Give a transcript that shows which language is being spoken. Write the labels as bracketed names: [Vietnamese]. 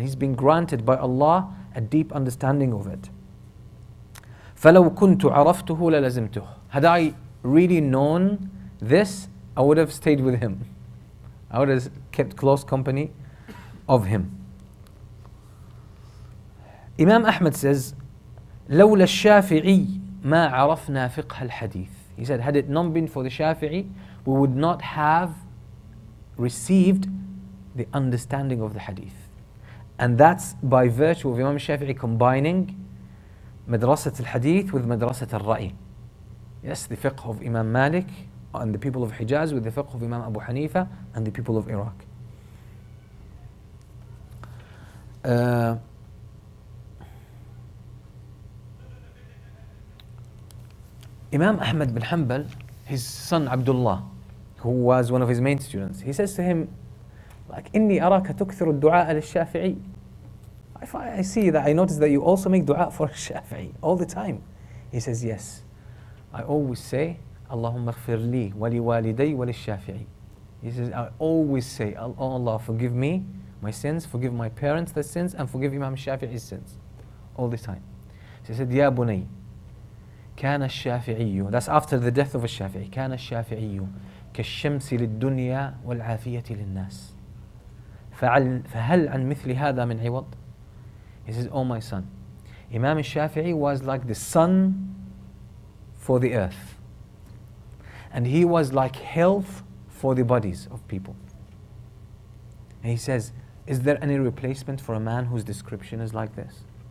[English] He's been granted by Allah a deep understanding of it. [Arabic] فَلَوْ كُنْتُ عَرَفْتُهُ لَلَزِمْتُهُ. [English] Had I really known this, I would have stayed with him. I would have kept close company of him. Imam Ahmed says, [Arabic] لَوْلَ الشَّافِعِي مَا عَرَفْنَا فِقْهَ الْحَدِيثِ. [English] He said, had it not been for the Shafi'i, we would not have received the understanding of the hadith. And that's by virtue of Imam Shafi'i combining Madrasat al-Hadith with Madrasat al-Ra'i. Yes, the fiqh of Imam Malik and the people of Hijaz with the fiqh of Imam Abu Hanifa and the people of Iraq. Imam Ahmed bin Hanbal, his son Abdullah, who was one of his main students, he says to him, like, [Arabic] إِنِّي أَرَاكَ تُكْثِرُ الدُّعَاءَ لِلشَّافِعِي. [English] I see that, I notice that you also make dua for Shafi'i all the time. He says, yes, I always say, [Arabic] اللهم اغفر لي ولوالدي وللشافعي. [English] He says, I always say, oh Allah, forgive me my sins, forgive my parents their sins, and forgive Imam Shafi'i's sins all the time. So he said, [Arabic] Ya Bunay, كان الشافعي, [English] that's after the death of [Arabic] الشافعي, كان الشافعي كالشمس للدنيا والعافية للناس فهل عن مثل هذا من عوض. [English] He says, oh my son, Imam Shafi'i was like the sun for the earth, and he was like health for the bodies of people. And he says, is there any replacement for a man whose description is like this?